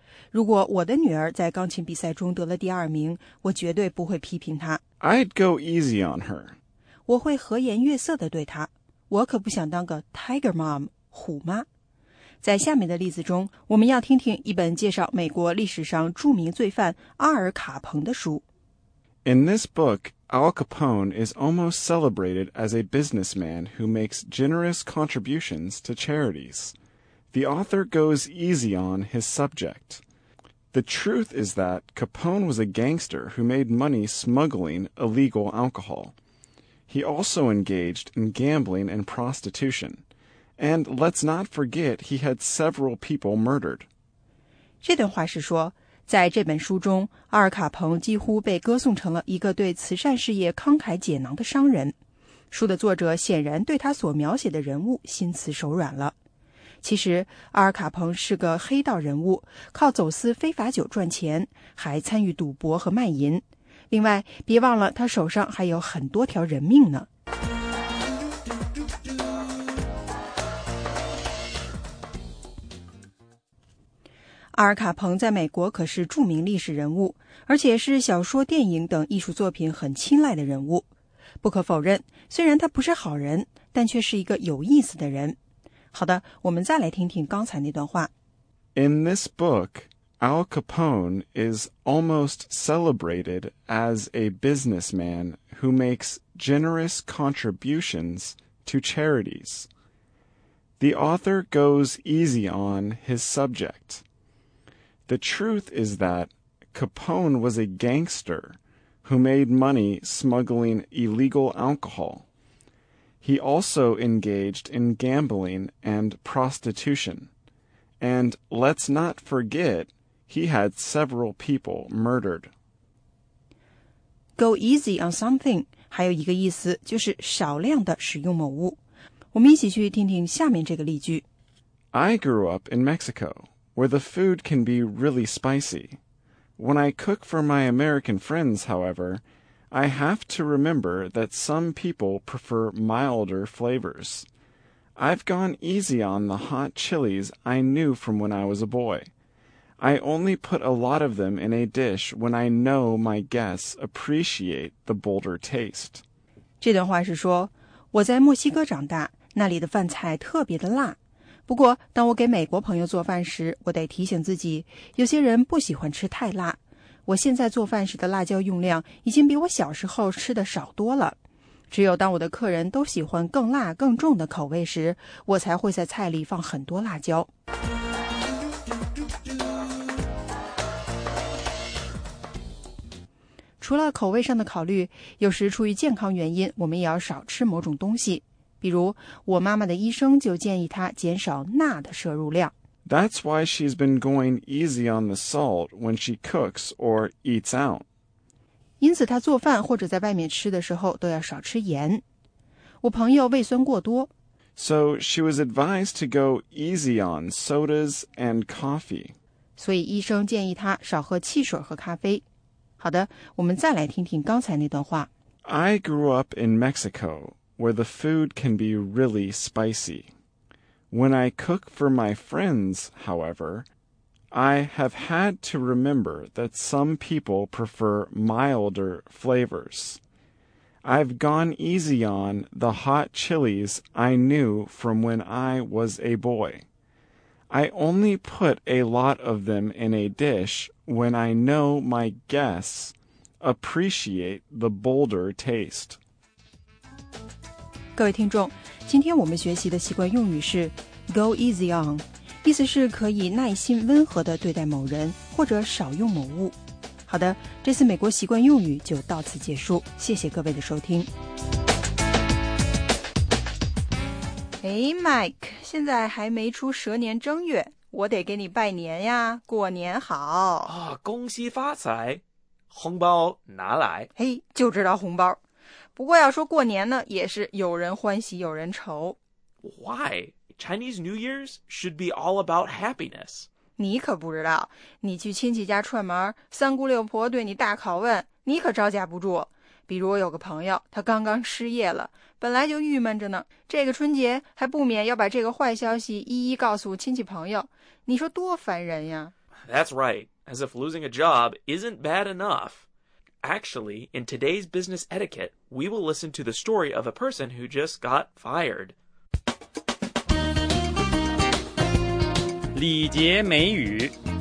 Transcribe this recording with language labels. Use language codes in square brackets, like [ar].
[zh] 如果我的女儿在钢琴比赛中得了2nd，我绝对不会批评她。 [en] I'd go easy on her. [zh] 我会和颜悦色地对她。我可不想当个 [en] tiger mom, [zh] 虎妈。在下面的例子中，我们要听听一本介绍美国历史上著名罪犯阿尔卡彭的书。 [en] In this book, Al Capone is almost celebrated as a businessman who makes generous contributions to charities. The author goes easy on his subject. The truth is that Capone was a gangster who made money smuggling illegal alcohol. He also engaged in gambling and prostitution. And let's not forget he had several people murdered. [zh] 这段话是说，在这本书中，阿尔卡彭几乎被歌颂成了一个对慈善事业慷慨解囊的商人。书的作者显然对他所描写的人物心慈手软了。其实，阿尔卡彭是个黑道人物，靠走私非法酒赚钱，还参与赌博和卖淫。另外，别忘了他手上还有很多条人命呢。阿尔卡彭在美国可是著名历史人物，而且是小说、电影等艺术作品很青睐的人物。不可否认，虽然他不是好人，但却是一个有意思的人。好的，我们再来听听刚才那段话。 [en] In this book, Al Capone is almost celebrated as a businessman who makes generous contributions to charities. The author goes easy on his subject. The truth is that Capone was a gangster who made money smuggling illegal alcohol. He also engaged in gambling and prostitution. And let's not forget, he had several people murdered. Go easy on something [zh] 还有一个意思就是少量的使用某物。我们一起去听听下面这个例句。 [en] I grew up in Mexico, where the food can be really spicy. When I cook for my American friends, however, I have to remember that some people prefer milder flavors. I've gone easy on the hot chilies I knew from when I was a boy. I only put a lot of them in a dish when I know my guests appreciate the bolder taste. [zh] 这段话是说，我在墨西哥长大，那里的饭菜特别的辣。不过，当我给美国朋友做饭时，我得提醒自己，有些人不喜欢吃太辣。我现在做饭时的辣椒用量已经比我小时候吃的少多了。只有当我的客人都喜欢更辣更重的口味时，我才会在菜里放很多辣椒。除了口味上的考虑，有时出于健康原因，我们也要少吃某种东西。比如，我妈妈的医生就建议她减少钠的摄入量。 [en] That's why she's been going easy on the salt when she cooks or eats out. [zh] 因此她做饭或者在外面吃的时候都要少吃盐。我朋友胃酸过多。 [en] So she was advised to go easy on sodas and coffee. [zh] 所以医生建议她少喝汽水和咖啡。好的，我们再来听听刚才那段话。 [en] I grew up in Mexico, where the food can be really spicy. When I cook for my friends, however, I have had to remember that some people prefer milder flavors. I've gone easy on the hot chilies I knew from when I was a boy. I only put a lot of them in a dish when I know my guests appreciate the bolder taste. [zh] 各位听众，今天我们学习的习惯用语是Go easy on, 意思是可以耐心温和地对待某人或者少用某物。好的，这次美国习惯用语就到此结束，谢谢各位的收听。哎 ,Mike, 现在还没出蛇年正月，我得给你拜年呀，过年好。啊，恭喜发财，红包拿来。嘿，就知道红包。不过要说过年呢，也是有人欢喜有人愁。 [en] Why? Chinese New Year's should be all about happiness. [zh] 你可不知道，你去亲戚家串门，三姑六婆对你大拷问，你可招架不住。比如我有个朋友，他刚刚失业了，本来就郁闷着呢，这个春节还不免要把这个坏消息一一告诉亲戚朋友，你说多烦人呀。 [en] That's right, as if losing a job isn't bad enough. Actually, in today's business etiquette, we will listen to the story of a person who just got fired. [zh] 礼节美语